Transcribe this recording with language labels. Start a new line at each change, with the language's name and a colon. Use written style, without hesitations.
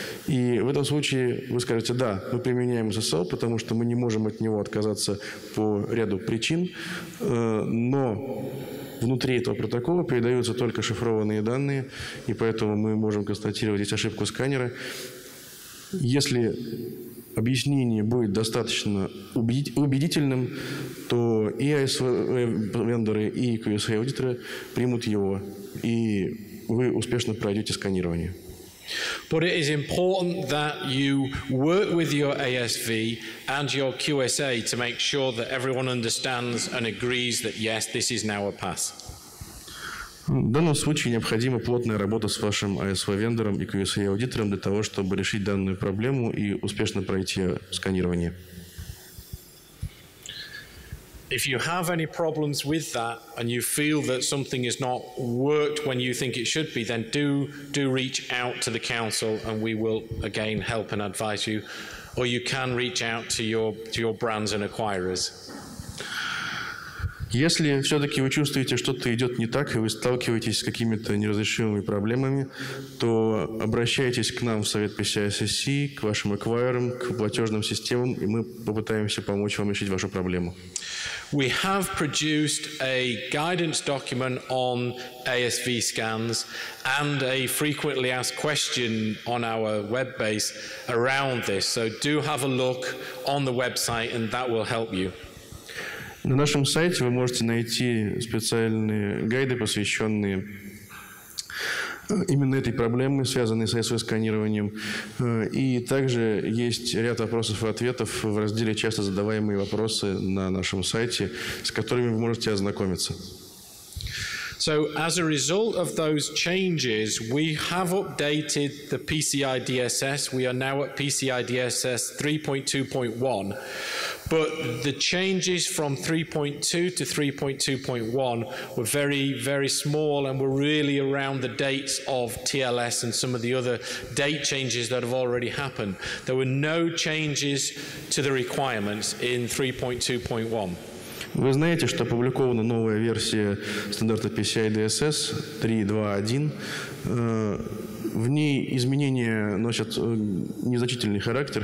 Russian: И в этом случае вы скажете, да, мы применяем SSL, потому что мы не можем от него отказаться по ряду причин, но внутри этого протокола передаются только шифрованные данные, и поэтому мы можем констатировать здесь ошибку сканера. Если объяснение будет достаточно убедительным, то и ASV-вендоры, и QSA-аудиторы примут его, и вы успешно пройдете сканирование.
English: But it is important that you work with your ASV and your QSA to make sure that everyone understands and agrees that yes, this is now a pass.
Russian: В данном случае необходима плотная работа с вашим ASV-вендором и QSA-аудитором для того, чтобы решить данную проблему и успешно пройти сканирование.
English: If you have any problems with that and you feel that something is not worked when you think it should be, then do reach out to the council and we will again help and advise you. Or you can reach out to your brands and acquirers.
Russian: Если все-таки вы чувствуете, что-то идет не так, и вы сталкиваетесь с какими-то неразрешимыми проблемами, то обращайтесь к нам в Совет PCI SSC, к вашим эквайрам, к платежным системам, и мы попытаемся помочь вам решить вашу проблему.
English: We have produced a guidance document on ASV scans and a frequently asked question on our web base around this. So do have a look on the website and that will help you.
Russian: На нашем сайте вы можете найти специальные гайды, посвященные именно этой проблеме, связанной с ASV-сканированием. И также есть ряд вопросов и ответов в разделе «Часто задаваемые вопросы» на нашем сайте, с которыми вы можете ознакомиться.
English: So as a result of those changes, we have updated the PCI DSS. We are now at PCI DSS 3.2.1. But the changes from 3.2 to 3.2.1 were very, very small and were really around the dates of TLS and some of the other date changes that have already happened. There were no changes to the requirements in 3.2.1.
Russian: Вы знаете, что опубликована новая версия стандарта PCI DSS 3.2.1. В ней изменения носят незначительный характер.